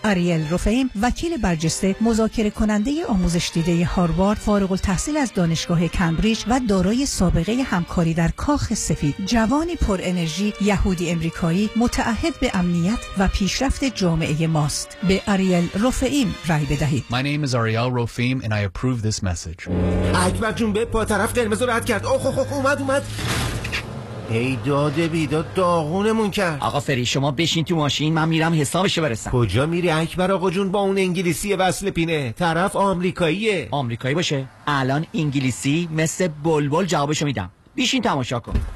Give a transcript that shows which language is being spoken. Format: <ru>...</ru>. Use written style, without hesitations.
<fa>آریل روفیم، وکیل برجسته، مذاکره کننده آموزش دیده هاروارد، فارغ التحصیل از دانشگاه کمبریج و دارای سابقه همکاری در کاخ سفید، جوانی پر انرژی، یهودی امریکایی، متعهد به امنیت و پیشرفت جامعه ماست. به آریل روفیم رای بدهید.</fa> <en>My name is Ariel Rofim and I approve this message.</en> <fa>اکبر جون به پا طرف قرمز رو رد کرد. اوخ اومد اومد. ای داده بیداد، داغونمون کرد. آقا فری شما بشین تو ماشین، من میرم حسابش برسم. کجا میری اکبر آقا جون؟ با اون انگلیسی وصل پینه، طرف آمریکاییه. آمریکایی باشه، الان انگلیسی مثل بلبل جوابشو میدم. بشین تماشا کن.</fa>